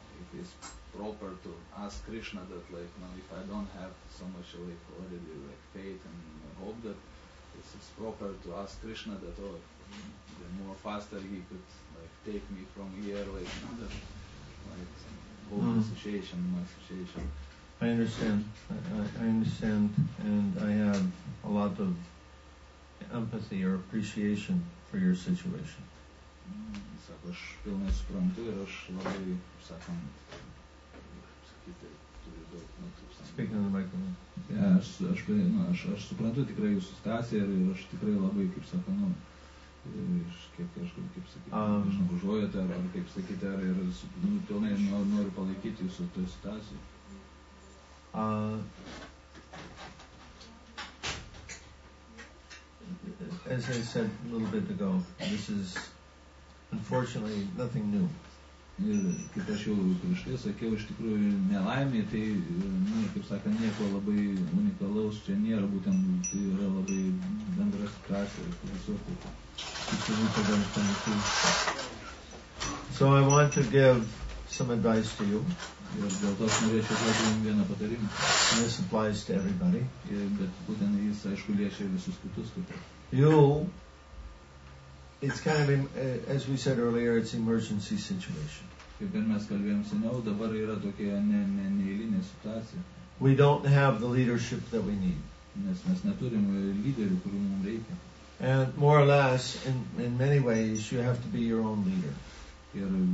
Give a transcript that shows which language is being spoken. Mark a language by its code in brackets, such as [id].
[en] If it's proper to ask Krishna that, like, you know, if I don't have so much, like, already, like, faith and hope, that it's proper to ask Krishna that, oh, the more faster he could, like, take me from here, like, you know, that, like, hope situation, my situation. I understand. I understand. And I have a lot of empathy or appreciation for your situation. [lt] Aš pilnai suprantu ir aš labai, sakant, sakyti, turiu daug, nu, taip sakant. [en] Speaking of the microphone. [lt] Ja, aš suprantu tikrai jūsų situaciją ir aš tikrai labai, kaip sakant, nu, kiek aš galiu, kaip sakyti, nežinau, užuojate ar kaip sakyti, ar ir nu, pilnai noriu palaikyti jūsų toje situacijoje. [en] As I said a little bit ago, this is unfortunately, nothing new. [lt] Ir kaip aš jau prieš tai sakiau, iš tikrųjų nelaimė, tai, nu, kaip sakant, nieko labai unikalaus čia nėra, būtent tai yra labai bendra situacija ir visur taip. Kaip čia būtų dar panašiai. [en] So I want to give some advice to you. [lt] Ir dėl to aš norėčiau duoti jums vieną patarimą. [en] This applies to everybody. [lt] Ir, bet būtent jis, aišku, liečia visus kitus kaip. [en] You. It's kind of, as we said earlier, it's an emergency situation. We don't have the leadership that we need. And more or less, in many ways, you have to be your own leader.